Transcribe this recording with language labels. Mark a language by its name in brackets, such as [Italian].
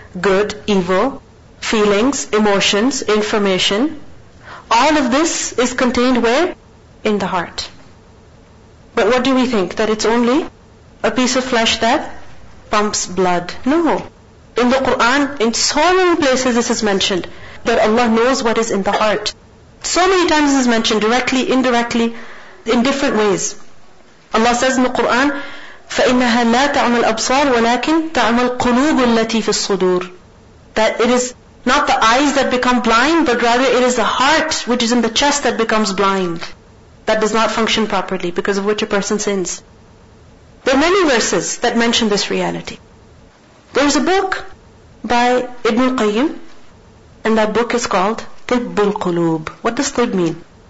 [English] Good, evil, feelings, emotions, information, all of this is contained where? In the heart. But what do we think? That it's only a piece of flesh that pumps blood? No. In the Quran, in so many places this is mentioned, that Allah knows what is in the heart. So many times this is mentioned, directly, indirectly, in different ways. Allah says in the Quran, [Arabic] فَإِنَّهَا لَا تَعْمَ الْأَبْصَارِ وَلَكِنْ تَعْمَ الْقُلُوبُ الَّتِي فِي الصُّدُورِ. [English] That it is not the eyes that become blind, but rather it is the heart which is in the chest that becomes blind. That does not function properly, because of which a person sins. There are many verses that mention this reality. There's a book by Ibn Qayyim, and that book is called طب القلوب. What does طب mean?